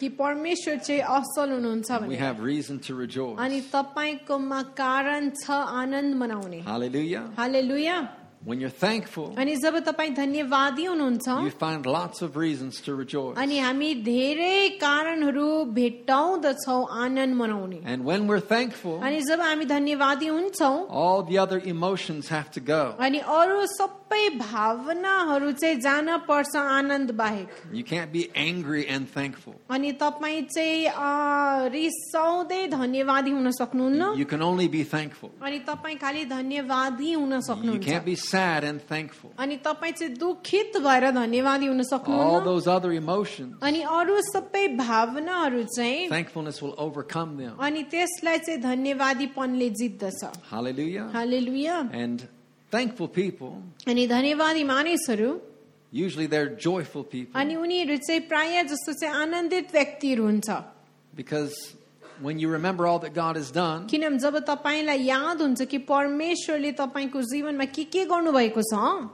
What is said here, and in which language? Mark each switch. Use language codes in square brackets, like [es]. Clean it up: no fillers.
[en] We have reason to rejoice. Hallelujah. Hallelujah. When you're thankful, [ne] अनि जब तपाई धन्यवादी हुनुहुन्छ, [en] you find lots of reasons to rejoice. [ne] अनि हामी धेरै कारणहरु भेट्टाउँदछौ आनन्द मनाउने. [en] And when we're thankful, [ne] अनि जब हामी धन्यवादी हुन्छौ, [en] all the other emotions have to go. [ne] अनि अरु सबै भावनाहरु चाहिँ जान पर्छ आनन्द बाहेक. [en] You can't be angry and thankful. [ne] अनि तपाई चाहिँ रिसाउँदै धन्यवादी हुन सक्नुहुन्न. [en] You can only be thankful. [ne] अनि तपाई खाली धन्यवादी हुन सक्नुहुन्छ. [en] Be sad and thankful. [ne] अनि तपाई चाहिँ दुखित भएर धन्यवादी हुन सक्नुहुन्न. [en] All those other emotions. [ne] अनि अरु सबै भावनाहरु चाहिँ [en] thankfulness will overcome them. [ne] अनि त्यसलाई चाहिँ धन्यवादीपनले जित्दछ. [en] Hallelujah. Hallelujah. And thankful people. [ne] अनि धन्यवादी मानिसहरु [en] usually they're joyful people. [ne] अनि उनीहरु चाहिँ प्राय जस्तो चाहिँ आनन्दित व्यक्तिहरु हुन्छ. [en] Because when you remember all that God has done, [ne] किनम जब तपाईलाई याद हुन्छ कि परमेश्वरले तपाईको जीवनमा के गर्नु भएको छ,